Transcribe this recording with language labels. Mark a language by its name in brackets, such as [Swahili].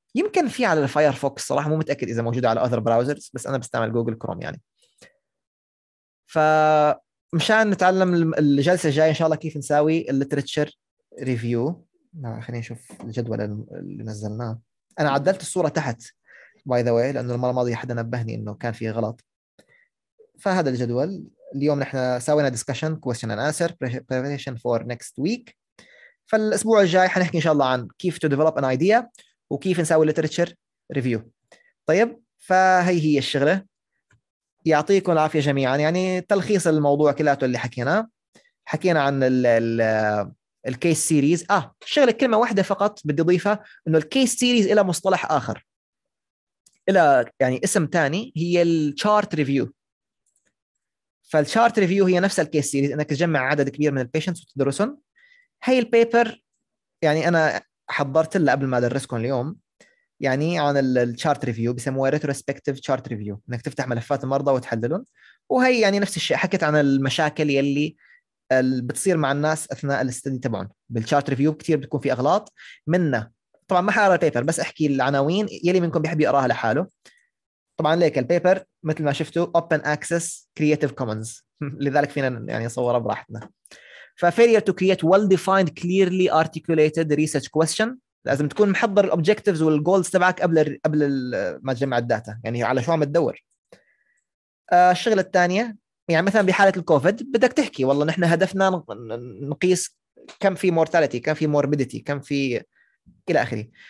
[Arabic] يمكن في على الفايرفوكس صراحه مو متاكد اذا موجوده على اذر براوزرز بس انا بستعمل جوجل كروم يعني. فمشان نتعلم الجلسه الجايه ان شاء الله كيف نساوي الليترتشر ريفيو. خليني نشوف الجدول اللي نزلناه. انا عدلت الصوره تحت [English] by the way [Arabic] لانه المره الماضيه حدا نبهني انه كان في غلط. فهذا الجدول اليوم نحن سوينا [English] discussion question and answer preparation for next week. [Arabic] فالأسبوع الجاي حنحكي إن شاء الله عن كيف [English] to develop an idea [Arabic] وكيف نسوي literature review. طيب فهي هي الشغلة. يعطيكم العافية جميعا. يعني تلخيص الموضوع كلياته اللي حكينا عن ال case series. شغلة كلمة واحدة فقط بدي أضيفها إنه ال case series إلى مصطلح آخر إلى يعني اسم تاني هي ال chart review. فالشارت ريفيو هي نفس الكيس سيريز انك تجمع عدد كبير من البيشنتس وتدرسهم. هاي البيبر يعني انا حضرت له قبل ما ادرسكم اليوم يعني عن الشارت ريفيو بسموها ريتروسبكتيف شارت ريفيو انك تفتح ملفات المرضى وتحللهم. وهي يعني نفس الشيء حكيت عن المشاكل يلي بتصير مع الناس اثناء الاستدي تبعهم. بالشارت ريفيو كثير بتكون في اغلاط منها. طبعا ما حقرا البيبر بس احكي العناوين يلي منكم بيحب يقراها لحاله. طبعا ليك البيبر مثل ما شفتوا [English] open access creative commons [Arabic] لذلك فينا يعني نصوره براحتنا. [English] ف failure to create well defined clearly articulated research question. [Arabic] لازم تكون محضر الobjectives والgoals تبعك قبل ما تجمع الداتا يعني على شو عم تدور. الشغلة الثانية يعني مثلا بحالة الكوفيد بدك تحكي والله نحن هدفنا نقيس كم في mortality كم في morbidity كم في إلى آخره.